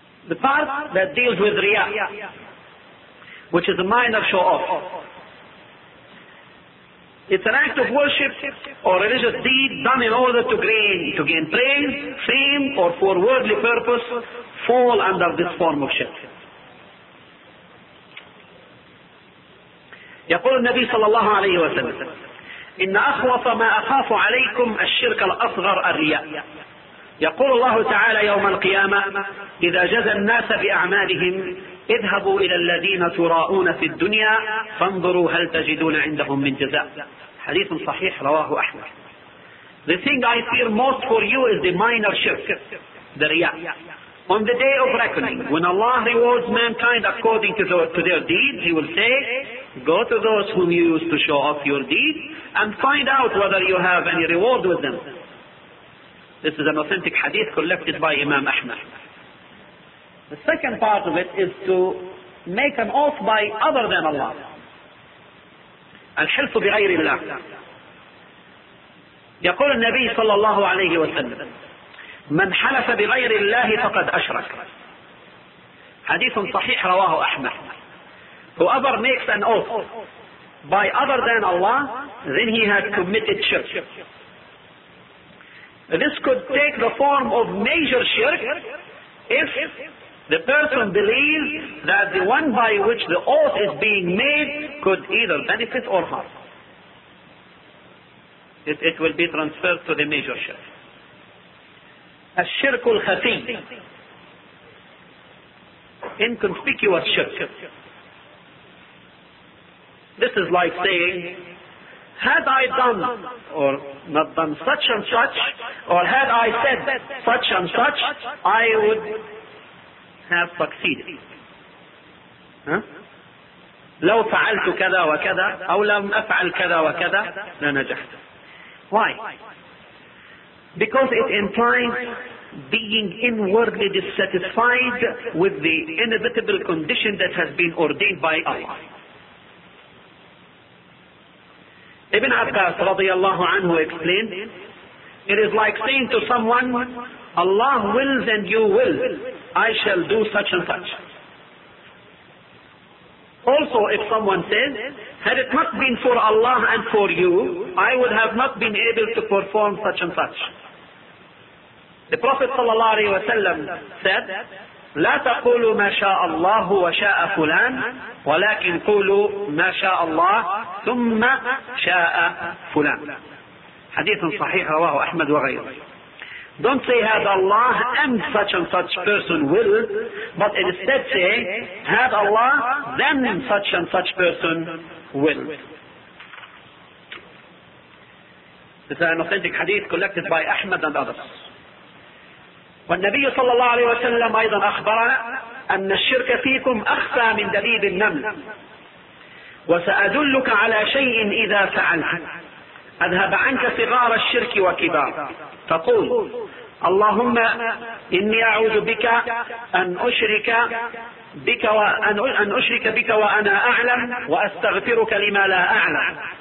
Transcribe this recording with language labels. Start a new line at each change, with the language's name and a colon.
English: The part that deals with riya, which is a minor show-off, it's an act of worship or religious deed done in order to gain praise, fame, or for worldly purpose, fall under this form of shirk.
Arabic: يقول النبي صلى الله عليه وسلم إن أخوف ما أخاف عليكم الشرك الأصغر الرياء. يقول الله تعالى يوم القيامة إذا جزى الناس بأعمالهم اذهبوا إلى الذين تراءون في الدنيا فانظروا هل تجدون عندهم من جزاء. Hadith Sahih, Rawahu Ahmad.
English: The thing I fear most for you is the minor shirk, the riyah. On the day of reckoning, when Allah rewards mankind according to their deeds, He will say, go to those whom you used to show off your deeds and find out whether you have any reward with them. This is an authentic hadith collected by Imam Ahmad. The second part of it is to make an oath by other than Allah.
Arabic: الحلف بغير الله. يقول النبي صلى الله عليه وسلم من حلف بغير الله فقد أشرك. حديث صحيح رواه أحمد.
English: Whoever makes an oath by other than Allah, then he has committed shirk. This could take the form of major shirk if the person believes that the one by which the oath is being made could either benefit or harm. It will be transferred to the major shirk.
Arabic: الشرك الخفي,
English: inconspicuous shirk. This is like saying, had I done or not done such and such, or had I said such and such, I would have succeeded.
Arabic: لو فعلت كذا وكذا أو لم أفعل كذا وكذا لنجحت.
English: Why? Because it implies being inwardly dissatisfied with the inevitable condition that has been ordained by Allah. Ibn Abbas radiallahu anhu explained, it is like saying to someone, Allah wills and you will, I shall do such and such. Also, if someone says, had it not been for Allah and for you, I would have not been able to perform such and such. The Prophet sallallahu alayhi wa sallam said,
Arabic: لا تقولوا ما شاء الله وشاء فلان ولكن قولوا ما شاء الله ثم شاء فلان. حديث صحيح رواه أحمد وغيره.
English: Don't say had Allah and such person will, but instead say had Allah then such and such person will. This is an authentic hadith collected by Ahmad and others.
Arabic: والنبي صلى الله عليه وسلم أيضا أخبرنا أن الشرك فيكم أخفى من دبيب النمل. وسأدلك على شيء إذا فعلت أذهب عنك صغار الشرك وكبار. تقول اللهم إني أعوذ بك أن أشرك بك وأن أشرك بك وأنا أعلم وأستغفرك لما لا أعلم.